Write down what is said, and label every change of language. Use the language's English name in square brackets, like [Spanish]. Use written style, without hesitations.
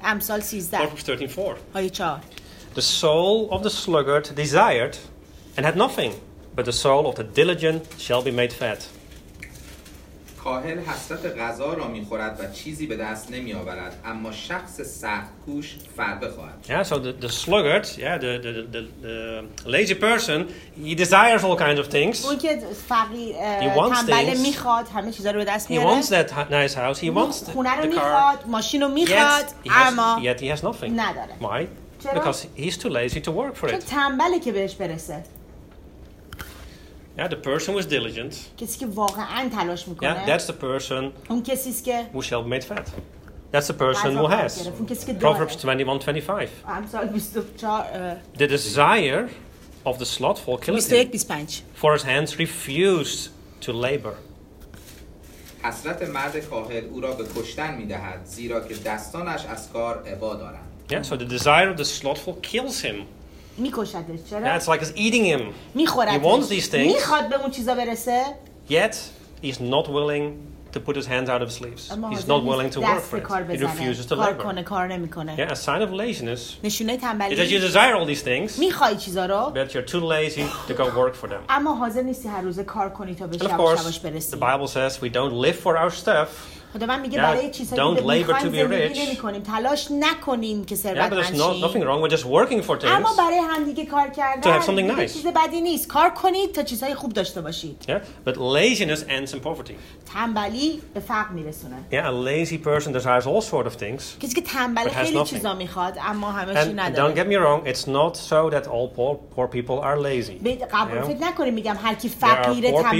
[English] Proverbs 13:4. The soul of the sluggard desired and had nothing. But the soul of the diligent shall be made fat. [Persian] کاهل حسرت غذا را می‌خورد و چیزی به دست نمی‌آورد، اما شخص سخت‌کوش فربه خواهد. [English] Yeah, so the sluggard, yeah, the lazy person, he desires all kinds of things. [Persian] اون که فقیر تنبل می‌خواد همه چیزا رو به دست میاره. [English] He wants that nice house, he wants the [Persian] خونه رو می‌خواد، ماشین رو می‌خواد، اما [English] yet he has nothing. [Persian] نداره. [English] Why? Because he's too lazy to work for it. [Persian] چون تنبله که بهش برسه. [English] Yeah, the person who is diligent. [Persian] کسی که واقعاً تلاش میکنه. [English] Yeah, that's the person. [Persian] اون کسی است که. [English] Who shall be made fat? That's the person who has. [Persian] اون کسی که. [English] Proverbs 21:25. [Persian] امسال 24. [English] The desire of the slothful killeth him. 25. For his hands refuse to labor. [Persian] حسرت مرد کاهل او را به کشتن میدهد، زیرا که دستانش از کار عبا دارند. [English] Yeah, so the desire of the slothful kills him. [Persian] میکشدش. [English] That's like he's eating him. [Persian] میخورد. [English] He wants these things. [Persian] میخواد به اون چیزا برسه. [English] Yet he's not willing to put his hands out of his sleeves. He's not willing to work for it. He refuses to labor. [Persian] کار نمیکنه. [English] Yeah, a sign of laziness. [Persian] نشونه تنبلی. [English] Is that you desire all these things. [Persian] میخوای چیزا رو. [English] But you're too lazy to go work for them. [Persian] اما حاضر نیستی هر روز کار کنی تا به شبش برسی. [English] The Bible says we don't live for our stuff. [Persian] خداوند میگه برای چیزایی که میخوایم زندگی نمی‌کنیم، تلاش نکنیم که ثروت بشیم. [English] Yeah, but there's nothing wrong. We're just working for things. [Persian] اما برای همدیگه کار کردن. [English] To have something nice. [Persian] چیز بدی نیست. کار کنید تا چیزای خوب داشته باشید. [English] Yeah, but laziness ends in poverty. [Persian] تنبلی به فقر میرسونه. [English] Yeah, a lazy person desires all sorts of things. [Persian] کسی که تنبل خیلی چیزا میخواد، اما همه‌ش نداره. [English] And don't get me wrong. It's not so that all poor people are lazy. [Persian] قبول نکنید میگم هر کی فقیره تنبله.